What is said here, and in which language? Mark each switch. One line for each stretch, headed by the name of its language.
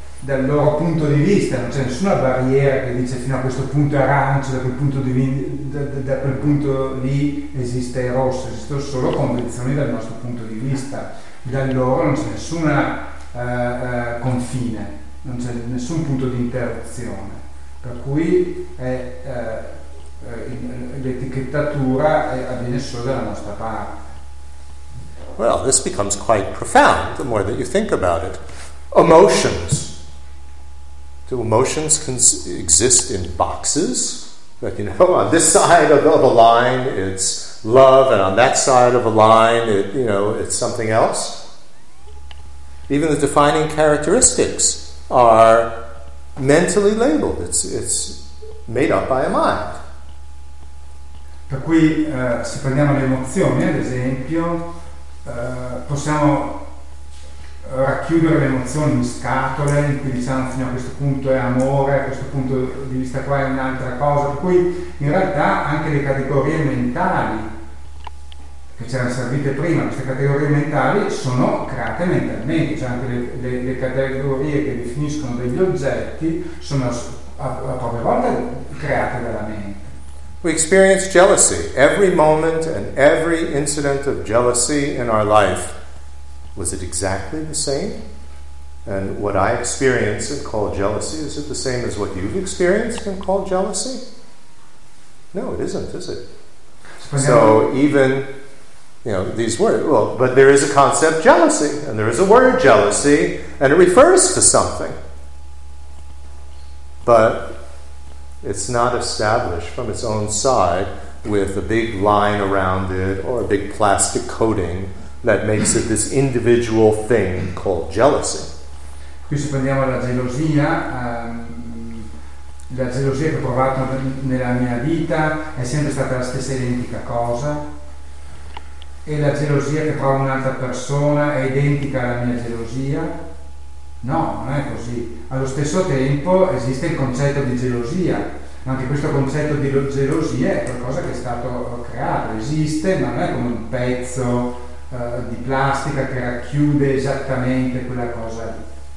Italian: Dal loro punto di vista non c'è nessuna barriera che dice fino a questo punto è arancio, da quel punto lì esiste il rosso, esistono solo convenzioni dal nostro punto di vista. Da loro non c'è nessuna confine, non c'è nessun punto di interruzione, per cui l'etichettatura avviene solo dalla nostra parte.
English: Well, this becomes quite profound the more that you think about it. Emotions. Do emotions exist in boxes? Like, you know, on this side of a line, it's love, and on that side of a line, it's something else. Even the defining characteristics are mentally labeled. It's made up by a mind.
Italian: Per cui, se prendiamo le emozioni, ad esempio, possiamo racchiudere le emozioni in scatole, in cui diciamo fino a questo punto è amore, a questo punto di vista qua è un'altra cosa, per cui in realtà anche le categorie mentali che ci erano servite prima, queste categorie mentali sono create mentalmente, cioè anche le categorie che definiscono degli oggetti sono a propria volta create dalla mente.
English: We experience jealousy. Every moment and every incident of jealousy in our life, was it exactly the same? And what I experience and call jealousy, is it the same as what you've experienced and call jealousy? No, it isn't, is it? So even, these words, well, but there is a concept jealousy, and there is a word jealousy, and it refers to something. But it's not established from its own side with a big line around it or a big plastic coating that makes it this individual thing called jealousy.
Italian: Qui se prendiamo la gelosia che ho provato nella mia vita è sempre stata la stessa identica cosa, e la gelosia che prova un'altra persona è identica alla mia gelosia? No, non è così. Allo stesso tempo esiste il concetto di gelosia, ma anche questo concetto di gelosia è qualcosa che è stato creato, esiste, ma non è come un pezzo di plastica che racchiude esattamente quella cosa lì.